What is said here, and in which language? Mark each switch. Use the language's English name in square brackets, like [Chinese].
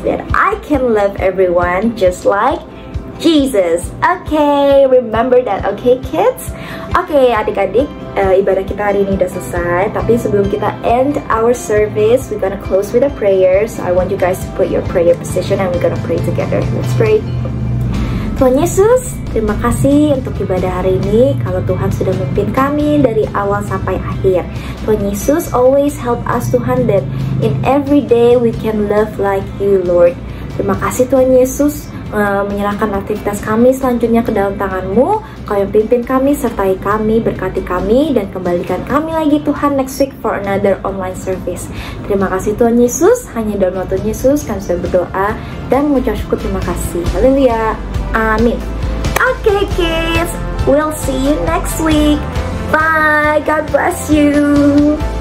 [English] That I can love everyone just like Jesus. Okay, remember that, okay kids? Okay, [Indonesian] adik-adik, ibadah kita hari ini udah selesai. Tapi sebelum kita [English] end our service, we're gonna close with a prayer. So I want you guys to put your prayer position and we're gonna pray together. Let's pray. [Indonesian] Tuhan Yesus, terima kasih untuk ibadah hari ini. Kalau Tuhan sudah memimpin kami dari awal sampai akhir. [English] Tuhan Yesus, always help us Tuhan that in every day we can love like you, Lord. [Indonesian] Terima kasih Tuhan Yesus, menyerahkan aktivitas kami selanjutnya ke dalam tangan-Mu. Kau yang pimpin kami, sertai kami, berkati kami, dan kembalikan kami lagi Tuhan [English] next week for another online service. [Indonesian] Terima kasih Tuhan Yesus, hanya dalam nama Tuhan Yesus kami sudah berdoa dan mengucap syukur terima kasih. Haleluya, amin. [English] Okay kids, we'll see you next week. Bye, God bless you.